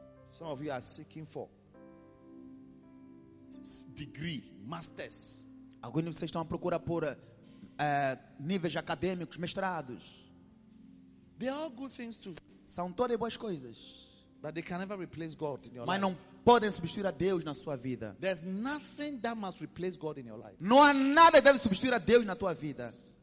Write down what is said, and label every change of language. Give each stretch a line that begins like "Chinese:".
English: Some of you are seeking for degree, masters.
Portuguese: Alguns de vocês estão à procura por níveis acadêmicos, mestrados.
English: They are good things too.
Portuguese: São todas boas coisas.
English: But they can never replace God in your
Portuguese: Mas Não podem substituir a Deus na sua vida.
English: There's nothing that must replace God in your life.
Portuguese: Não há nada que deve substituir a Deus na tua vida.